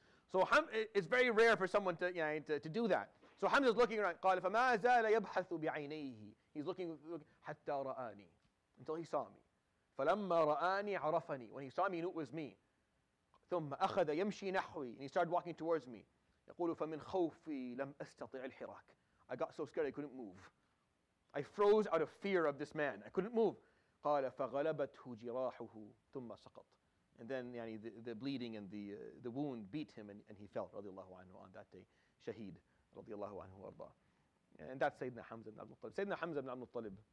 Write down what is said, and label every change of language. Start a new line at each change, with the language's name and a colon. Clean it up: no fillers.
English: So it's very rare for someone to do that. So Hamza is looking around.
Arabic: قَالَ فَمَا زَالَ يَبْحَثُ بِعَيْنَيْهِ.
English: He's looking,
Arabic: حَتَّى رَآنِي.
English: Until he saw me.
Arabic: فَلَمَّا رَآنِي عَرَفَنِي.
English: When he saw me, he knew it was me.
Arabic: ثم أخذ يمشي نحوي.
English: And he started walking towards me.
Arabic: يقول فمن خوفي لم أستطع الحراك.
English: I got so scared I couldn't move. I froze out of fear of this man. I couldn't move.
Arabic: قال فغلبته جراحه ثم سقط.
English: And then the bleeding and the wound beat him, and he fell. رضي الله عنه on that day. شهيد. رضي الله عنه وارضاه. And that's Sayyidina Hamza ibn al-Muttalib. Sayyidina Hamza ibn al-Muttalib.